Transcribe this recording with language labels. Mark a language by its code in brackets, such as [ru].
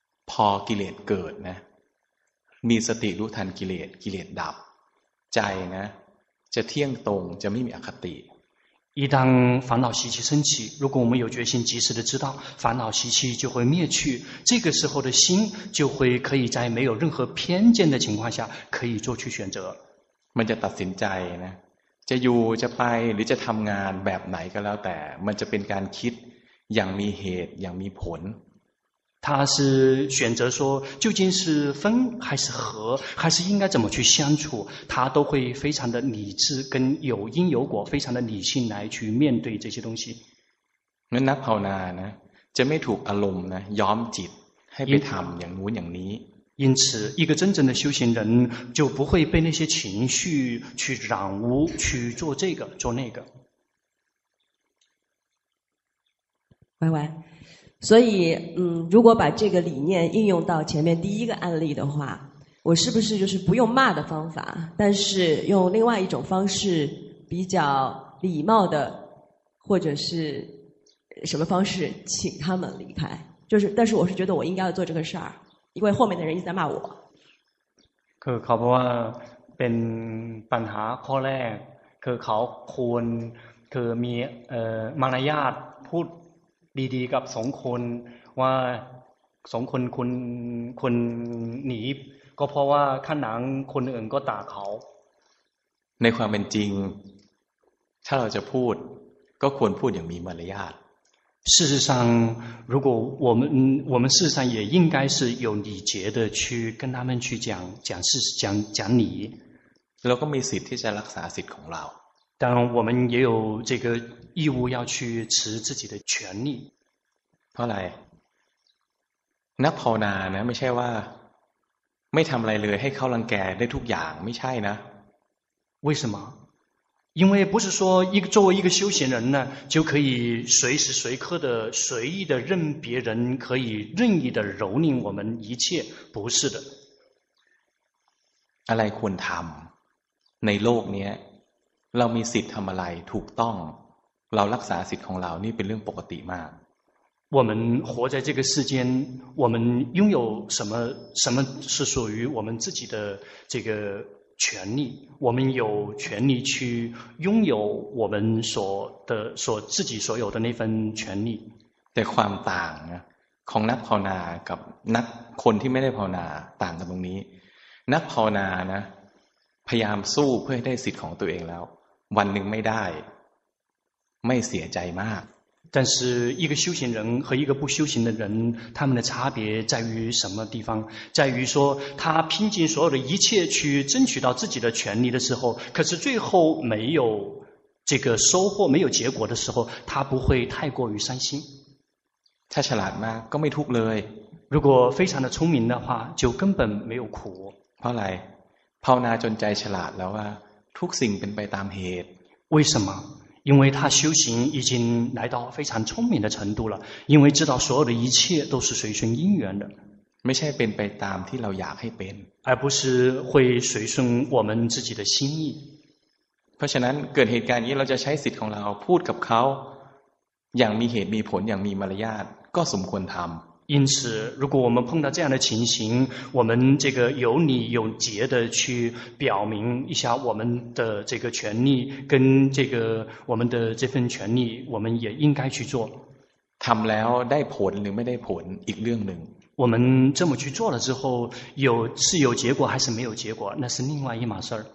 [th] พอกิเลสเกิดนะมีสติรู้ทันกิเลสกิเลสดับใจนะจะเที่ยงตรงจะไม่มีอคติ [zh] 一旦烦恼习气升起如果我们有决心及时的知道烦恼习气就会灭去这个时候的心就会可以在没有任何偏见的情况下可以做去选择 [th] มันจะตัดสินใจนะจะอยู่จะไปหรือจะทำงานแบบไหนก็แล้วแต่มันจะเป็นการคิดอย่างมีเหตุอย่างมีผล [zh] 他是选择说究竟是分还是合还是应该怎么去相处他都会非常的理智跟有因有果非常的理性来去面对这些东西 [th] นั้นนักภาวนานะจะไม่ถูกอารมณ์นะยอมจิตให้ไปทำอย่างนู้นอย่างนี้ [zh] 因此一个真正的修行人就不会被那些情绪去染污去做这个做那个喂喂所以如果把这个理念应用到前面第一个案例的话我是不是就是不用骂的方法，但是用另外一种方式比较礼貌的或者是什么方式请他们离开，就是但是我是觉得我应该要做这个事儿，因为后面的人一直在骂我。 [th] คือเขาบอกว่าเป็นปัญหาข้อแรกคือเขาควรคือมีมารยาทพูดดีๆกับสองคนว่าสองคนคนหนีก็เพราะว่าข้างหลังคนอื่นก็ด่าเขา ในความเป็นจริงถ้าเราจะพูดก็ควรพูดอย่างมีมารยาท [zh] 事实上如果我们事实上也应该是有礼节的去跟他们去讲讲事实讲讲理 [th] เราก็มีสิทธิ์ที่จะรักษาสิทธิ์ของเรา [zh] 当然我们也有这个义务要去持自己的权利 [th] เพราะอะไรนักภาวนานะไม่ใช่ว่าไม่ทำอะไรเลยให้เขารังแกได้ทุกอย่างไม่ใช่นะ [zh] 为什么因为不是说一个作为一个修行人呢就可以随时随刻的随意的任别人可以任意的蹂躏我们一切不是的 [th] อะไรควรทำในโลกนี้เรามีสิทธิ์ทำอะไรถูกต้องเรารักษาสิทธิ์ของเรานี่เป็นเรื่องปกติมาก [zh] 我们活在这个世间我们拥有什么什么是属于我们自己的这个权利我们有权利去拥有我们所的所自己所有的那份权利 [th] แต่ความต่างของนักภาวนากับนักคนที่ไม่ได้ภาวนาต่างกันตรงนี้นักภาวนานะพยายามสู้เพื่อให้ได้สิทธิ์ของตัวเองแล้ววันหนึ่งไม่ได้ไม่เสียใจมาก [zh] 但是一个修行人和一个不修行的人他们的差别在于什么地方在于说他拼尽所有的一切去争取到自己的权利的时候可是最后没有这个收获没有结果的时候他不会太过于伤心他 [th] ฉลาดมากก็ไม่ทุกข์เลย [zh] 如果非常的聪明的话就根本没有苦 [th] เพราะอะไรภาวนาจนใจฉลาดแล้วว่าทุกสิ่งเป็นไปตามเหตุ [zh] 为什么因为他修行已经来到非常聪明的程度了因为知道所有的一切都是随顺因缘的 [th] ไม่ใช่เป็นไปตามที่เราอยากให้เป็น [zh] 而不是会随顺我们自己的心意 [th] เพราะฉะนั้นเกิดเหตุการณ์นี้เราจะใช้สิทธิ์ของเราพูดกับเขาอย่างมีเหตุมีผลอย่างมีมารยาทก็สมควรทำ [zh] 因此如果我们碰到这样的情形我们这个有理有节的去表明一下我们的这个权利跟这个我们的这份权利我们也应该去做 [th] ทำแล้วได้ผลหรือไม่ได้ผลอีกเรื่องหนึ่ง [zh] 我们这么去做了之后有是有结果还是没有结果那是另外一码事